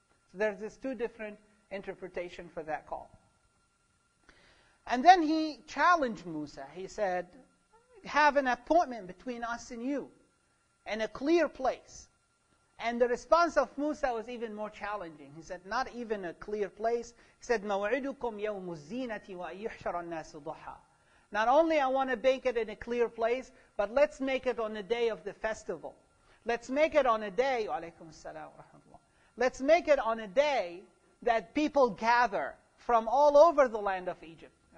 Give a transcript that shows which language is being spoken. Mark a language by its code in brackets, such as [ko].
[en] So there's this two different interpretation for that call. And then he challenged Musa. He said, have an appointment between us and you in a clear place. And the response of Musa was even more challenging. He said, not even a clear place. He said, [ar] مَوْعِدُكُمْ يَوْمُ الزِّينَةِ وَأَيُحْشَرَ النَّاسُ ضُحَى. [en] Not only I want to bake it in a clear place, but let's make it on the day of the festival. Let's make it on a day, [ar] وَعَلَيْكُمْ السَّلَامُ وَرَحْمَةُ اللَّهِ. [en] Let's make it on a day that people gather from all over the land of Egypt.